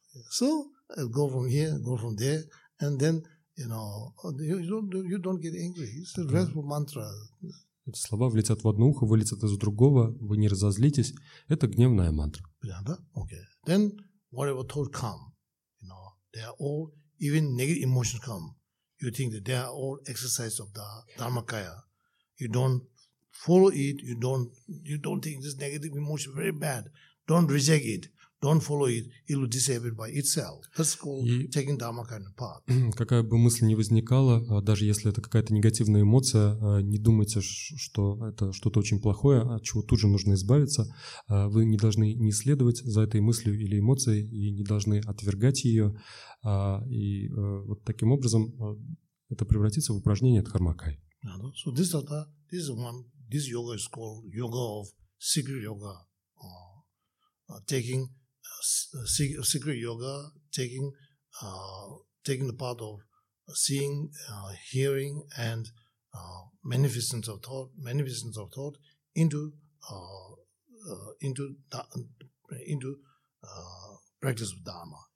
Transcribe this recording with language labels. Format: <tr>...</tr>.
<en>So, I go from here, go from there, and then, you don't get angry. It's a wrathful mantra.</en> <ru>Эти слова влетят в одно ухо, вылетят из другого, вы не разозлитесь. Это гневная мантра. Понятно, да?</ru> <en>Okay. Then, whatever thoughts come, they are all, even negative emotions come, you think that they are all exercise of the Dharmakaya. You don't follow it, you don't think this negative emotion is very bad. Don't reject it. Don't follow it, it will disappear by itself. That's called taking dharma kind of path.</en> <ru>Какая бы мысль ни возникала, даже если это какая-то негативная эмоция, не думайте, что это что-то очень плохое, от чего тут же нужно избавиться. Вы не должны не следовать за этой мыслью или эмоцией и не должны отвергать ее. И вот таким образом это превратится в упражнение дхармакай.</ru> <en>So this is the, this is one, this yoga is called yoga of secret yoga. Taking secret yoga, taking the path of seeing, hearing, and manifestations of thought into practice of dharma.</en>